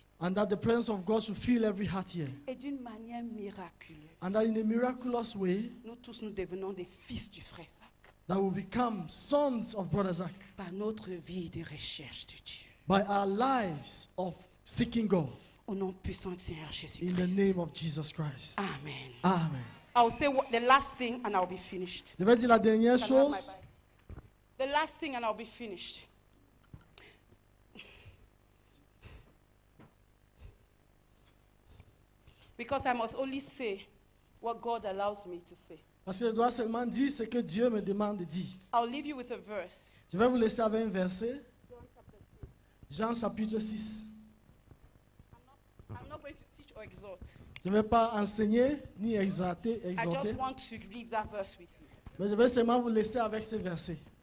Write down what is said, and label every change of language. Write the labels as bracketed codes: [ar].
[en] And that the presence of God should fill every heart here. [fr] Et d'une manière miraculeuse. [en] And that in a miraculous way. [fr] Nous tous nous devenons des fils du frère Zach. [en] That will become sons of brother Zach. [fr] Par notre vie de recherche de Dieu. [en] By our lives of seeking God. [fr] Au nom puissant du Seigneur Jésus-Christ. [en] In the name of Jesus Christ. Amen. Amen. I'll say the last thing and I'll be finished. [fr] Je vais dire la dernière chose. [en] The last thing and I'll be finished. Because I must only say what God allows me to say. [fr] Parce que je dois seulement dire ce que Dieu me demande de dire. [en] I'll leave you with a verse. [fr] Je vais vous laisser avec un verset. Jean chapitre 6. Je ne vais pas enseigner ni exhorter. [en] I just want to leave that verse with you. [fr] Mais je vais seulement vous laisser avec ce verset.